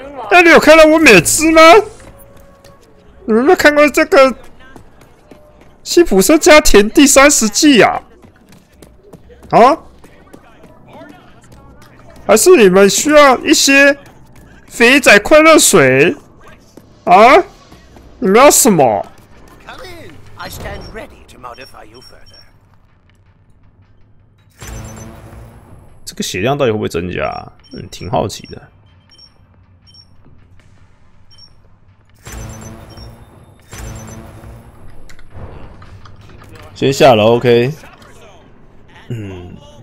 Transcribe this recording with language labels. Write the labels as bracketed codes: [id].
[zh] 哎、欸，你有看到我美姿吗？你们有没有看过这个《辛普森家庭》第三十季啊？啊？还是你们需要一些肥仔快乐水？啊！你们要什么？ [en] Come in. I stand ready to modify you further. [zh] 这个血量到底会不会增加？嗯，挺好奇的。先下楼 ，OK。嗯。